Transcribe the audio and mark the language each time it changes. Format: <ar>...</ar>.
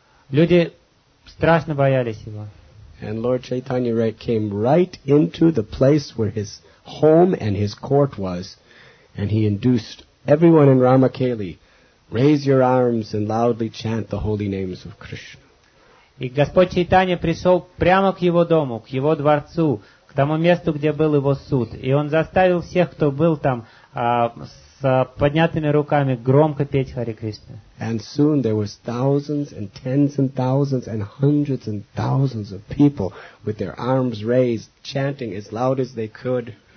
<ru>Люди страшно боялись его.</ru> <en>And Lord Chaitanya came right into the place where his home and his court was, and he induced everyone in Ramakeli, raise your arms and loudly chant the holy names of Krishna.</en> <ru>И Господь Чайтанья пришел прямо к его дому, к его дворцу, к тому месту, где был его суд. И он заставил всех, кто был там, с поднятыми руками громко петь Хари Кришна.</ru> <en>And soon there was thousands and tens and thousands and hundreds and thousands of people with their arms raised, chanting as loud as they could.</en>